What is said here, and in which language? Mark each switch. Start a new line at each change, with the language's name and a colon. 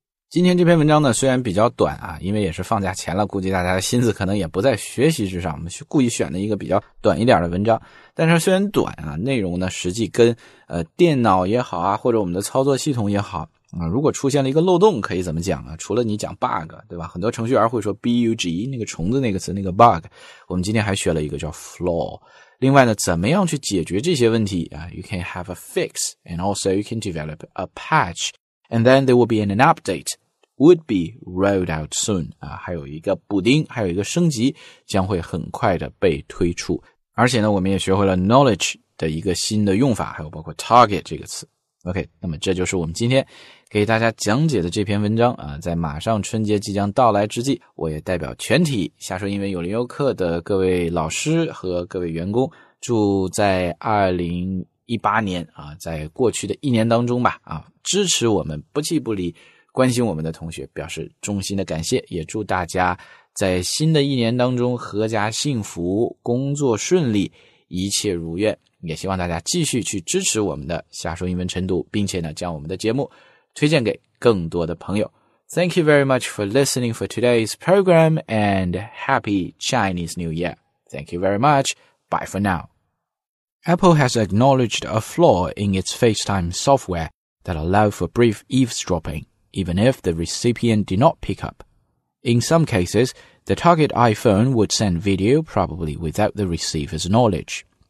Chinese: 今天这篇文章呢虽然比较短啊，因为也是放假前了，估计大家的心思可能也不在学习之上，我们故意选了一个比较短一点的文章，但是虽然短啊，内容呢实际跟电脑也好啊，或者我们的操作系统也好啊，如果出现了一个漏洞可以怎么讲啊，除了你讲 bug， 对吧？很多程序员会说 bug， 那个虫子那个词，那个 bug， 我们今天还学了一个叫 flaw。另外呢怎么样去解决这些问题啊，
English: you can have a fix and also you can develop a patch and then there will be an update. would be rolled out soon
Chinese: 啊，还有一个补丁，还有一个升级将会很快的被推出。而且呢我们也学会了 knowledge 的一个新的用法，还有包括 target 这个词。 OK， 那么这就是我们今天给大家讲解的这篇文章啊，在马上春节即将到来之际，我也代表全体下说英文有零优课的各位老师和各位员工，祝在2018 年啊，在过去的一年当中吧啊，支持我们不弃不离关心我们的同学表示衷心的感谢，也祝大家在新的一年当中阖家幸福，工作顺利，一切如愿，也希望大家继续去支持我们的瞎说英文晨读，并且呢将我们的节目推荐给更多的朋友。
English: Thank you very much for listening for today's program and Happy Chinese New Year. Thank you very much. Bye for now. Apple has acknowledged a flaw in its FaceTime software that allowed for brief eavesdropping. Even if the recipient did not pick up. In some cases, the target iPhone would send video probably without the receiver's knowledge.